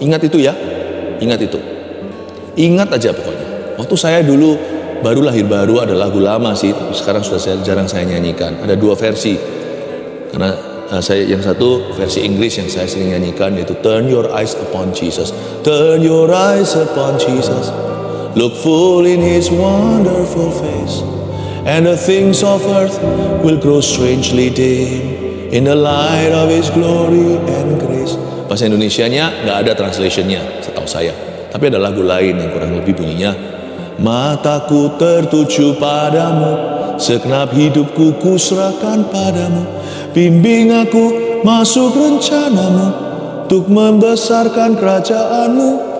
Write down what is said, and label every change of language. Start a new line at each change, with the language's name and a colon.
Indonesian: Ingat itu ya. Ingat itu. Ingat aja pokoknya. Waktu saya dulu baru lahir baru, ada lagu lama sih, tapi sekarang sudah jarang saya nyanyikan. Ada dua versi. Karena saya yang satu versi Inggris yang saya sering nyanyikan yaitu
English: Turn your eyes upon Jesus. Turn your eyes upon Jesus. Look full in his wonderful face. And the things of earth will grow strangely dim in the light of his glory and grace.
Indonesian: Bahasa Indonesianya enggak ada translationnya setahu saya. Tapi ada lagu lain yang kurang lebih bunyinya, mataku tertuju padamu, segenap hidupku kuserahkan padamu. Bimbing aku masuk rencanamu, untuk membesarkan kerajaanmu.